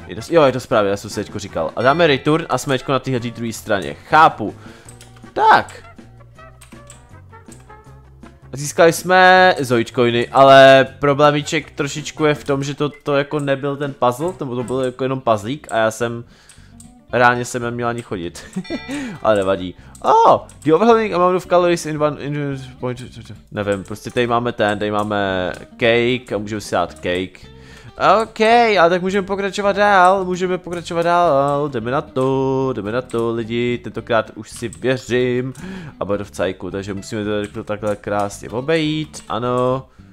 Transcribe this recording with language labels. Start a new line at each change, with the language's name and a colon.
Czech: Je to správně, já jsem si teďko říkal. A dáme return a jsme teďko na téhle druhé straně, chápu. Tak. Získali jsme Zoidcoiny, ale problémíček trošičku je v tom, že to jako nebyl ten puzzle, nebo to byl jako jenom puzzlík a já jsem reálně jsem neměl ani chodit. Ale nevadí.
English: Oh, the overwhelming amount of calories in one point.
Czech: Nevím, prostě tady máme ten, tady máme cake a můžeme si dát cake. OK, a tak můžeme pokračovat dál, jdeme na to lidi, tentokrát už si věřím a budu v cajku, takže musíme to takhle krásně obejít, ano.